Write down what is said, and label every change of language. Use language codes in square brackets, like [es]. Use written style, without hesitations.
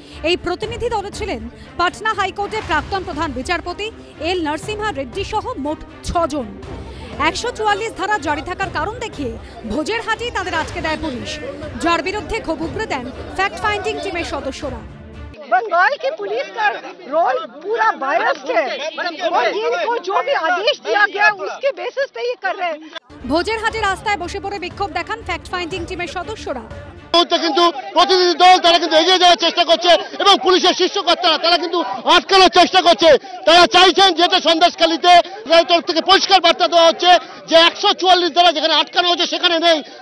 [bn] এই প্রতিনিধি দলে ছিলেন পাটনা হাইকোর্টের প্রাক্তন প্রধান বিচারপতি এল নরসিমহা রেড্ডি সহ মোট 6 জন। 144 ধারা জারি থাকার কারণ দেখিয়ে ভোজের হাটেই তাদের আটকে দেয় পুলিশ, যার বিরুদ্ধে ক্ষোভ উগড়ে দেন ফ্যাক্ট ফাইন্ডিং টিমের সদস্যরা। [hi] बंगाल की पुलिस का रोल पूरा वायरस है और इनको जो भी आदेश दिया गया उसके बेसिस पे ये कर रहे हैं। [bn] ভোজেরহাটে রাস্তায় বসে পড়ে বিক্ষোভ দেখান ফ্যাক্ট ফাইন্ডিং টিমের সদস্যরা। কিন্তু প্রতিনিধি দল তারা কিন্তু এগিয়ে যাওয়ার চেষ্টা করছে এবং পুলিশের শীর্ষকর্তারা তারা কিন্তু আটকানোর চেষ্টা করছে। তারা চাইছেন যেতে সন্দেশখালীতে তরফ থেকে পরিষ্কার বার্তা দেওয়া হচ্ছে যে 144 ধারা যেখানে আটকানো হচ্ছে সেখানে নেই।